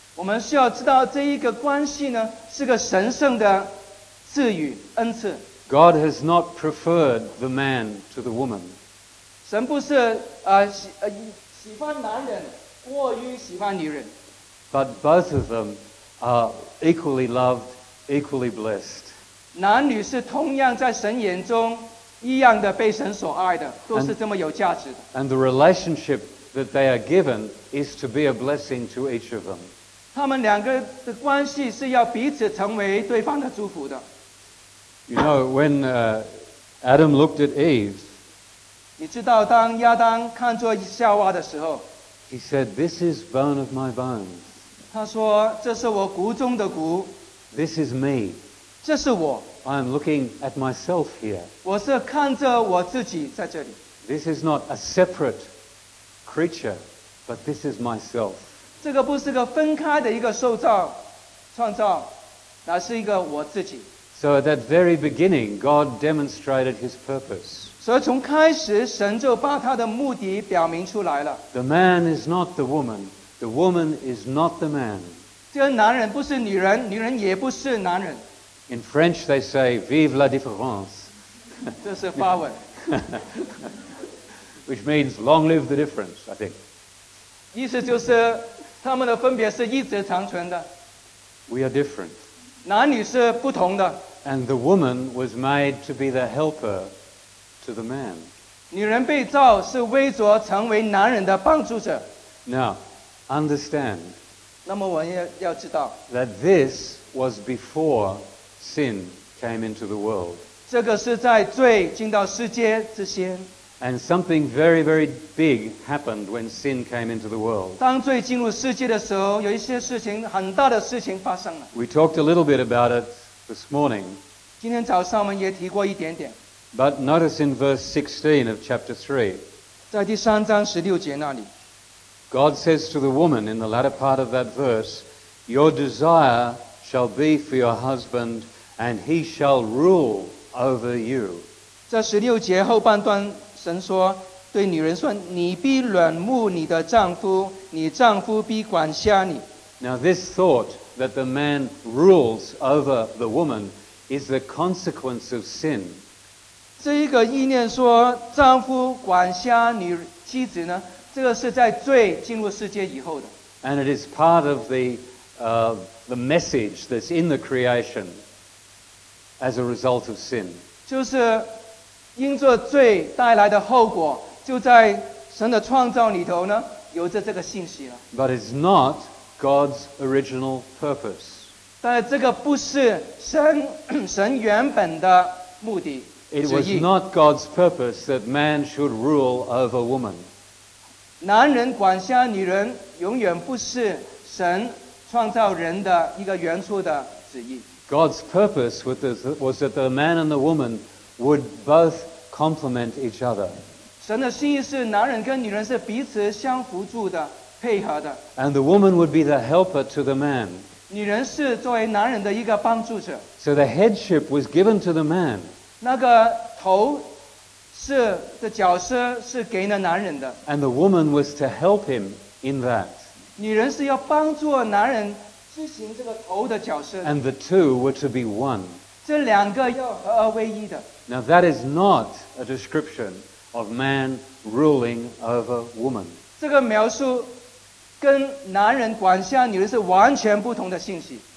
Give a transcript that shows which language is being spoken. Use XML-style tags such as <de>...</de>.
<zh>我们需要知道这一个关系呢是个神圣的赐予恩赐。</zh> <en>God has not preferred the man to the woman.</en> <zh>神不是喜欢男人过于喜欢女人。</zh> <en>But both of them are equally loved, equally blessed.</en> <zh>男女是同样在神眼中。一样的被神所爱的，都是这么有价值的。</zh> <en>And the relationship that they are given is to be a blessing to each of them.</en> <zh>他们两个的关系是要彼此成为对方的祝福的。</zh> <en>You know, when Adam looked at Eve,</en> <zh>你知道当亚当看作夏娃的时候，</zh> <en>he said, "This is bone of my bones."</en> <zh>他说，这是我骨中的骨。</zh> <en>This is me.</en> <zh>这是我。</zh> <en>I am looking at myself here.</en> <zh>我是看着我自己在这里。</zh> <en>This is not a separate creature, but this is myself.</en> <zh>这个不是个分开的一个受造、创造，而是一个我自己。</zh> <en>So at that very beginning, God demonstrated his purpose.</en> <zh>所以从开始，神就把他的目的表明出来了。</zh> <en>The man is not the woman. The woman is not the man.</en> <zh>这个男人不是女人，女人也不是男人。</zh> <en>In French, they say,</en> <fr>vive la différence.</fr> <zh>这是发文。</zh> <en>Which means long live the difference, I think.</en> <zh>意思就是他们的分别是一直长存的。</zh> <en>We are different.</en> <zh>男女是不同的。</zh> <en>And the woman was made to be the helper to the man.</en> <zh>女人被造是为着成为男人的帮助者。</zh> <en>Now, understand.</en> <zh>那么我要知道。</zh> <en>That this was before sin came into the world.</en> <zh>这个是在罪进到世界之前。</zh> <en>And something very, very big happened when sin came into the world.</en> <zh>当罪进入世界的时候，有一些事情，很大的事情发生了。</zh> <en>We talked a little bit about it this morning.</en> <zh>今天早上我们也提过一点点。</zh> <en>But notice in verse 16 of chapter 3.</en> <zh>在第三章十六节那里。</zh> <en>God says to the woman in the latter part of that verse, Your desire shall be for your husband, and he shall rule over you.</en> <zh>在十六节后半段神说对女人说你必软慕你的丈夫你丈夫必管辖你</zh> <en>Now this thought that the man rules over the woman is the consequence of sin</en> <zh>这一个意念说丈夫管辖你妻子呢这个是在罪进入世界以后的</zh> <en>And it is part of the message that's in the creation as a result of sin</en> <zh>就是因着罪带来的后果，就在神的创造里头呢，有着这个信息了。</zh> <en>But it's not God's original purpose.</en> <zh>但这个不是神原本的目的。</zh> <en>It was not God's purpose that man should rule over woman.</en> <zh>男人管辖女人，永远不是神创造人的一个原初的旨意。</zh> <en>God's purpose was that the man and the woman. Would both complement each other.</en> <zh>神的心意是男人跟女人是彼此相辅助的配合的。</zh> <en>And the woman would be the helper to the man.</en> <zh>女人是作为男人的一个帮助者。</zh> <en>So the headship was given to the man.</en> <zh>那个头是的角色是给了男人的。</zh> <en>And the woman was to help him in that.</en> <zh>女人是要帮助男人执行这个头的角色。</zh> <en>And the two were to be one.</en> <zh>这两个要合而为一的。</zh> <en>Now that is not a description of man ruling over woman.</en> <zh>这个描述跟男人管辖女人是完全不同的信息。</zh>